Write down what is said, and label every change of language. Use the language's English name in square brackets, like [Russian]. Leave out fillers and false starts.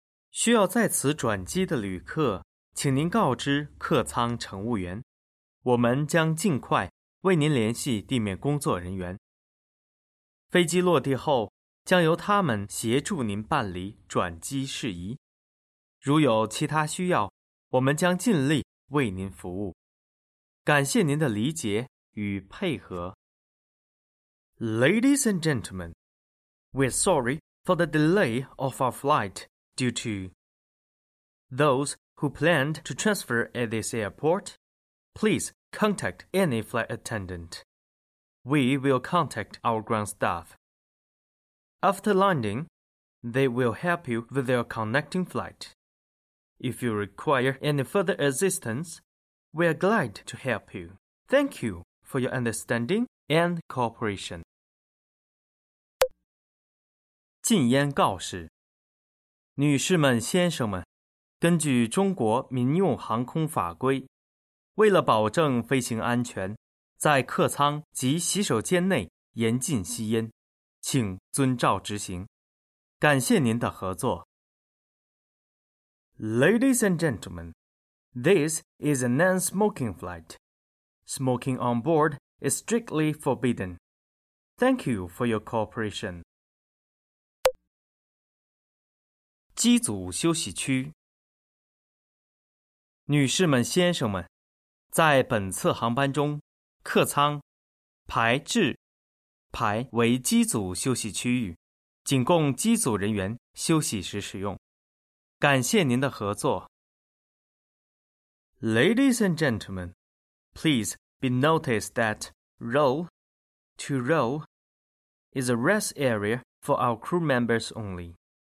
[Chinese] 需要在此转机的旅客，请您告知客舱乘务员，我们将尽快为您联系地面工作人员。飞机落地后，将由他们协助您办理转机事宜。如有其他需要，我们将尽力为您服务。感谢您的理解与配合。 [English] Ladies and gentlemen,We're sorry for the delay of our flight due to those who planned to transfer at this airport. Please contact any flight attendant. We will contact our ground staff. After landing, they will help you with your connecting flight. If you require any further assistance, we are glad to help you. Thank you for your understanding and cooperation. [Chinese] 禁烟告示。女士们、先生们，根据中国民用航空法规，为了保证飞行安全，在客舱及洗手间内严禁吸烟，请遵照执行。感谢您的合作。 [English] Ladies and gentlemen, this is a non-smoking flight. Smoking on board is strictly forbidden. Thank you for your cooperation. [Chinese] 机组休息区。女士们、先生们，在本次航班中，客舱排至排为机组休息区域，仅供机组人员休息时使用。感谢您的合作。 [English] Ladies and gentlemen, please be noticed that row to row is a rest area for our crew members only.